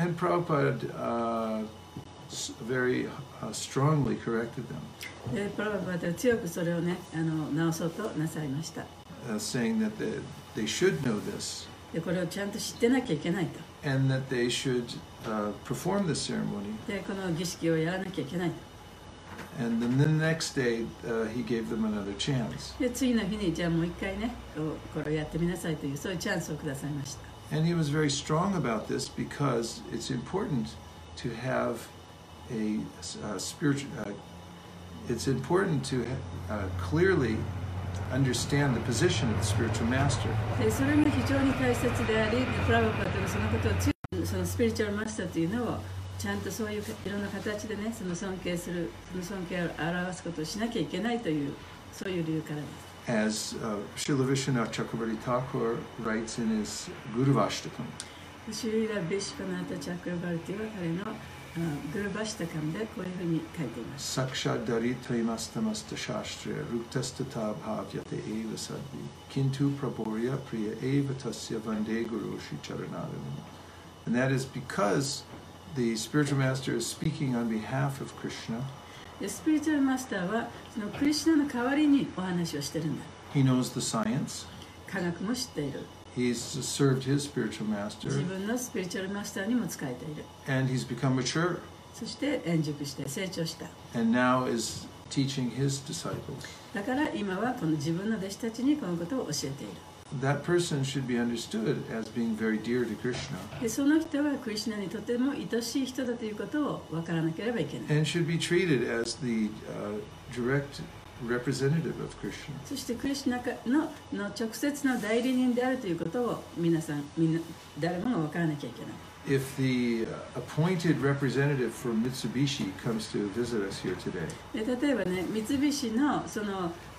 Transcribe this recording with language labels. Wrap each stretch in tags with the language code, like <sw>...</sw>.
<en>And Prabhupada very strongly corrected them.</en> <ja>Prabhupada 強くそれをね、直そうとなさいました。</ja> <en>Saying that they should know this.</en> <ja>で、これをちゃんと知ってなきゃいけないと。</ja> <en>And that they should perform the ceremony.</en> <ja>で、この儀式をやらなきゃいけないと。</ja> <en>And then the next day, he gave them another chance.</en> <ja>で、次の日にじゃあもう一回ね、これをやってみなさいというそういうチャンスをくださいました。</ja> <en>And he was very strong about this because it's important to have it's important to clearly understand the position of the spiritual master.</en> <ja>それが非常に大切であり、プラヴァパッドがそのことを強くそのスピリチュアルマスターというのをちゃんとそういういろんな形でね、その尊敬する、その尊敬を表すことをしなきゃいけないというそういう理由からです。</ja> <en>As Srila Vishwanath Chakravarti Thakur writes in his Guru Vashtakam.</en> <ja>シュリラ・ビシュヴァナタ・チャクラヴァルティは彼のグルバシタカムでこういうふうに書いています。</ja> <sa>サクシャダリトイマスタマスタシャーストリアルクタスタタバーヴヤテエヴァサッビキントゥプラボリアプリアエヴァタシヤヴァンデグルオシチャラナダム。</sa> <en>And that is because the spiritual master is speaking on behalf of Krishna.</en> <ja>スピリチュアルマスターはそのクリシナの代わりにお話をしているんだ。</ja> <en>He knows the science.</en> <ja>科学も知っている。</ja> <en>He's served his spiritual master.</en> <ja>自分のスピリチュアルマスターにも仕えている。</ja> <en>And he's become mature.</en> <ja>そして円熟して成長した。</ja> <en>And now is teaching his disciples.</en> <ja>だから今はこの自分の弟子たちにこのことを教えている。</ja> <en>That person should be understood as being very dear to Krishna.</en> <ja>でその人はクリシュナにとても愛しい人だということを分からなければいけない。</ja> <en>And should be treated as the direct representative of Krishna.</en> <ja>そしてクリシュナの直接の代理人であるということを皆さん誰もが分からなきゃいけない。</ja> <en>If the appointed representative for Mitsubishi comes to visit us here today.</en> <ja>で例えばね、三菱のその</ja>